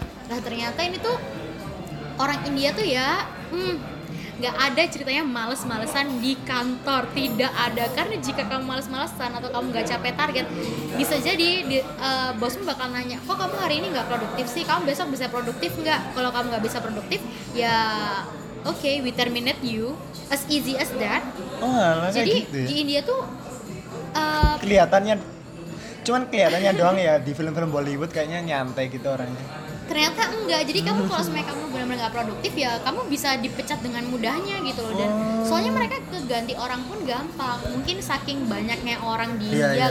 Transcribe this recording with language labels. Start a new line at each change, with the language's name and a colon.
Indonesian: Nah ternyata ini tuh orang India tuh ya nggak ada ceritanya males-malesan di kantor, tidak ada. Karena jika kamu males-malesan atau kamu nggak capek target, bisa jadi bosmu bakal nanya, kok kamu hari ini nggak produktif sih, kamu besok bisa produktif nggak? Kalau kamu nggak bisa produktif ya
English: okay, we terminate you as easy as that. Oh,
Indonesian: jadi gitu ya? Di India tuh kelihatannya cuman kelihatannya doang ya di film-film Bollywood kayaknya nyantai gitu orangnya. Ternyata enggak, jadi kamu kalau sebenarnya kamu benar-benar nggak produktif ya kamu bisa dipecat dengan mudahnya gitu loh. Dan soalnya mereka keganti orang pun gampang, mungkin saking banyaknya orang di India